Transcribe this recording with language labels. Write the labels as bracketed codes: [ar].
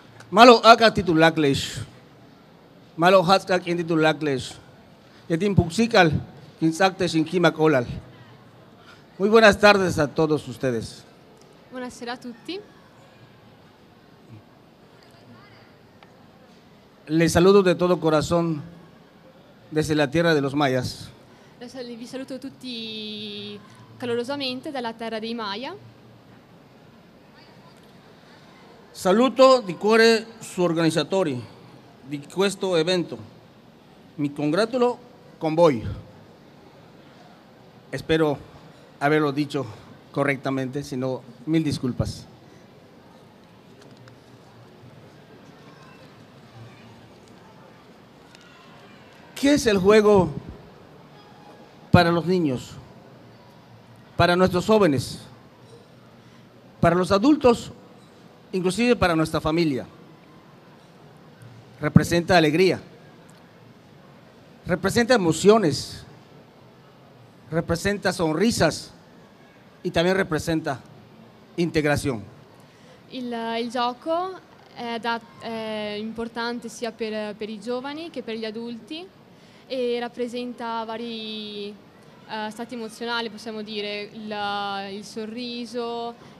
[yua] Malo haka titulaklesh. Malo haska kien titulaklesh. Yetim puxical. Kinsakte sin kimak olal. [es] Muy buenas tardes a todos ustedes. [it] Buonasera a tutti. [es] Les saludo de todo corazón desde la tierra de los mayas. [it] Vi saluto tutti calorosamente dalla terra dei Maya. Saluto di cuore su organizzatori di questo evento. Mi congratulo con voi. Spero averlo detto correttamente, se no, [es] mil disculpas. ¿Qué es el juego para los niños, para nuestros jóvenes, para los adultos, inclusive para nuestra familia? Representa alegría, representa emociones, representa sonrisas y también representa integración. [it] El gioco è importante sia per i giovani che per gli adulti e rappresenta vari stati emozionali, possiamo dire, il sorriso,